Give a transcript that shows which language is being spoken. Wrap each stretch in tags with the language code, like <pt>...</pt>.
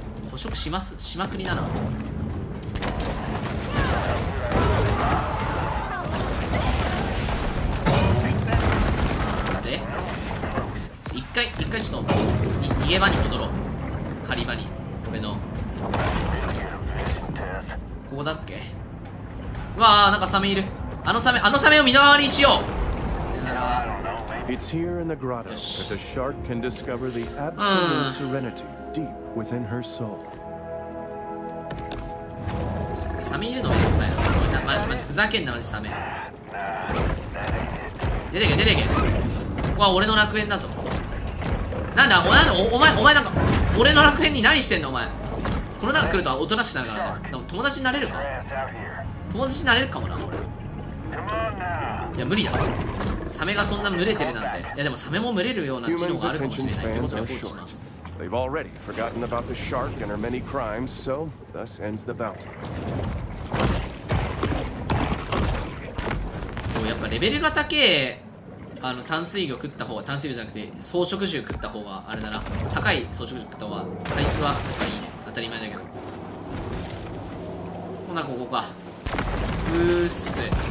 <ja>捕食します、しまくりだな。あれ、一回ちょっと逃げ場に戻ろう。狩り場に、俺のここだっけ。うわあ、なんかサメいる。あのサメを身代わりにしよう。さよなら。</ja> <en>It's here in the grotto that the shark can discover the absolute serenity deep within her soul.</en> <ja>サメいるのめんどくさいな。おい、マジマジふざけんな、マジサメ。出てけ出てけ、ここは俺の楽園だぞ。なんだ、お前、お前、お前なんか俺の楽園に何してんの。お前この中来るとおとなしくなるからね。でも友達になれるか、友達になれるかもな俺。いや無理だ、サメがそんな群れてるなんて。いやでもサメも群れるような知能があるかもしれないってことで放置します。</ja> <en>They've already forgotten about the shark and her many crimes, so thus ends the bounty.</en> <ja>やっぱレベルが高い、あの淡水魚食った方が、淡水魚じゃなくて草食獣食った方があれだな、高い草食獣食った方が回復はやっぱいいね。当たり前だけど。ほなここか。うーっす。</ja>